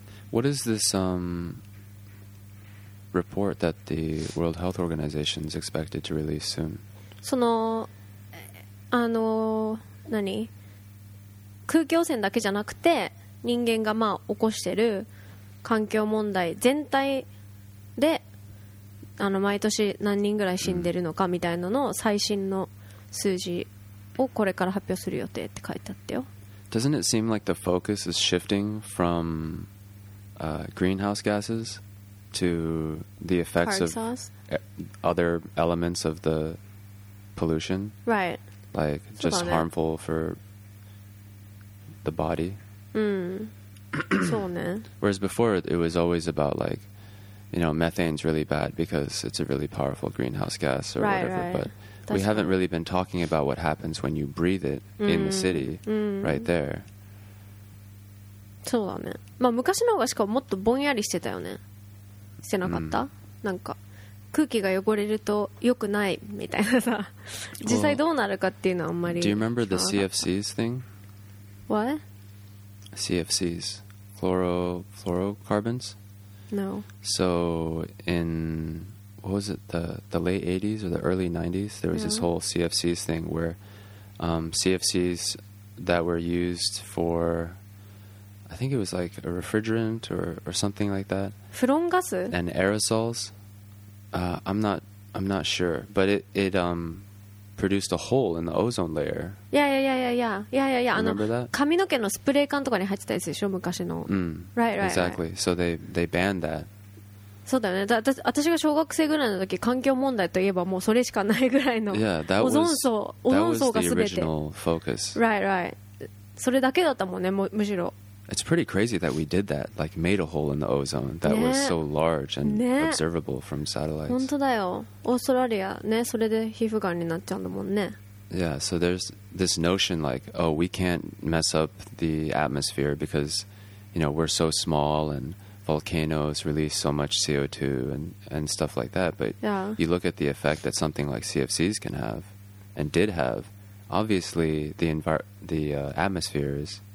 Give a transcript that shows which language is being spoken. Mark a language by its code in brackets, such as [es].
[en] What is this report that the World Health Organization is expected to release soon? [ja] その、あの、何空気汚染だけじゃなくて人間がまあ起こしてる環境問題全体で毎年何人ぐらい死んでるのかみたいなのの最新の数字をこれから発表する予定って書いてあったよ。 [en] Doesn't it seem like the focus is shifting from greenhouse gases to the effects of other elements of the pollution? Right. Like just harmful for the body. [ja] そうね。 [en] Whereas before it was always about like,you know, methane's really bad because it's a really powerful greenhouse gas or right, whatever, right. But we haven't really been talking about what happens when you breathe it in the city, right there. [ja] そうだね。まあ昔の方がしかももっとぼんやりしてたよね。してなかった？なんか空気が汚れると良くないみたいなさ。実際どうなるかっていうのはあんまり。 [en] Do you remember the CFCs thing? What? CFCs. Fluorocarbons? No. So in, what was it, the late 80s or the early 90s, there was this whole CFCs thing where CFCs that were used for, I think it was like a refrigerant or something like that. [ja] フロンガス? [en] And aerosols. I'm not sure, but it produced a hole in the ozone layer. Yeah. Remember that? [ja] 髪の毛のスプレー缶とかに入ってたやつでしょ、昔の。 [en] Right. Exactly. So they banned that. [ja] そうだよね。私が小学生ぐらいの時、環境問題といえばもうそれしかないぐらいの。オゾン層が全て。 [en] That was the original focus. Right. [ja] それだけだったもんね、むしろ。 [en] It's pretty crazy that we did that, like made a hole in the ozone that was so large and observable from satellites. [ja] 本当だよ。オーストラリアね、それで皮膚がんになっちゃうんだもんね。 [en] Yeah, so there's this notion like, oh, we can't mess up the atmosphere because, you know, we're so small and volcanoes release so much CO2 and stuff like that. But you look at the effect that something like CFCs can have and did have, obviously the atmosphere is...